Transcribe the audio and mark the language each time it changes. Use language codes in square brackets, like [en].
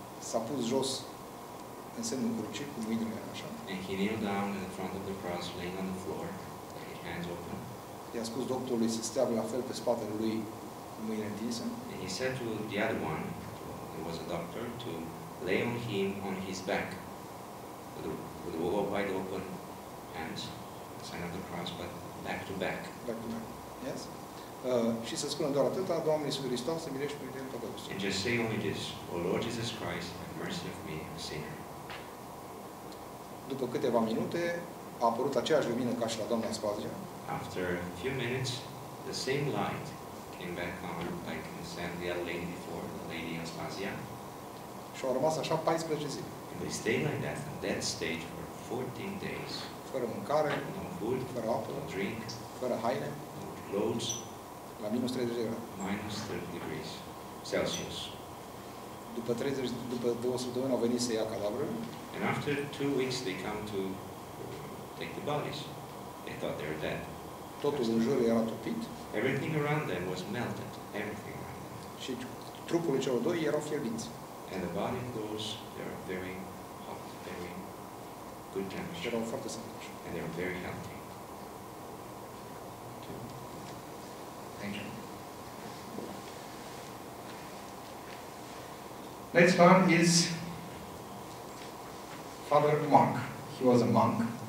[ro] S-a pus jos în semnul crucii, cu mâinile așa. [en] And he kneeled down in front of the cross, laying on the floor, hands open. [ro] I-a spus doctorului să stea la fel pe spatele lui, cu mâinile întinse. [en] And he said to the other one, who was a doctor, to lay on him on his back, with the wide open hands, sign of the cross, but back to back. Back to back. Yes. [ro] Și să spună doar atâta, Doamne Iisus Hristos, să milești pe mine în păcătos. [en] And just say only this, O Lord Jesus Christ, have mercy of me, a sinner. [ro] După câteva minute, a apărut aceeași lumină ca și la Doamna Spazia. [en] After a few minutes, the same light came back on, like I said, the other lady before, the lady Aspasia. [ro] Și-a rămas așa 14 zile. [en] And they stayed like that, at that stage, for 14 days. [ro] Fără mâncare, [en] no food, [ro] fără apă, [en] no drink, [ro] fără haine, [en] no clothes, [ro] la minus 30 de grade. [en] Minus 30 degrees Celsius. [ro] După două săptămâni au venit să ia cadavrul. [en] And after 2 weeks they come to take the bodies. They thought they were dead. [ro] Totul în jur era topit. [en] Everything around them was melted. Everything. [ro] Și trupurile celor doi erau fierbinți. [en] And the body of those, they are very hot, very good temperature. [ro] Erau foarte sănătoși. [en] And they are very healthy. Next one is Father Mark. He was a monk.